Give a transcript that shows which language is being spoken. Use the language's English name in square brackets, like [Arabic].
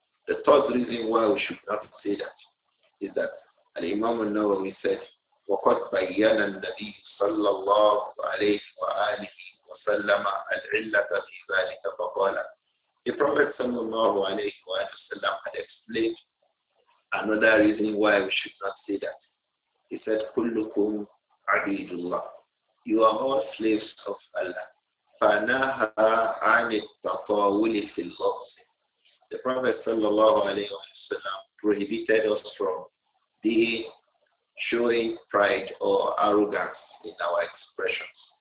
[English] The third reason why we should not say that is that Al Imam al-Nawawi said, [Arabic] وَقَدْ بَيَّنَ النَّبِيُّ صَلَّى اللَّهُ عَلَيْهِ وَآلِهِ وَسَلَّمَ الْعِلَّةَ فِي ذَلِكَ فَقَالَ. [English] The Prophet sallallahu alayhi wa sallam had explained another reason why we should not say that. He said, [Arabic] كُلُّكُمْ عَبِيدُ اللَّهِ. [English] You are all slaves of Allah. [Arabic] فَنَهَا عَنِ التَّطَاوُلِ فِي اللَّغْزِ. [English] The Prophet sallallahu alayhi wa sallam prohibited us from being showing pride or arrogance in our expressions.